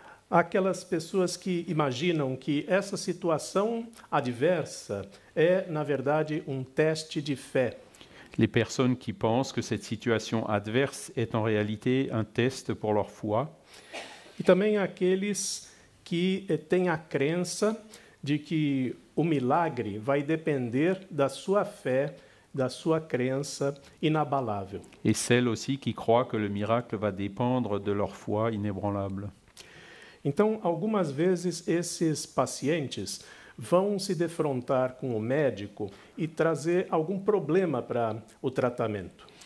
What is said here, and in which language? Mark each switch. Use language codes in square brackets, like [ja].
[pt] Aquelas pessoas que imaginam que essa situação adversa é, na verdade, um teste de fé. [fr] Les personnes qui pensent que cette situation adverse est en réalité un test pour leur foi. [pt] E também aqueles que têm a crença de que o milagre vai depender da sua fé, da sua crença inabalável. [fr] Et celles aussi qui croient que le miracle va dépendre de leur foi inébranlable. [pt] Então, algumas vezes, esses pacientes vão se defrontar com o médico e trazer algum problema para o tratamento.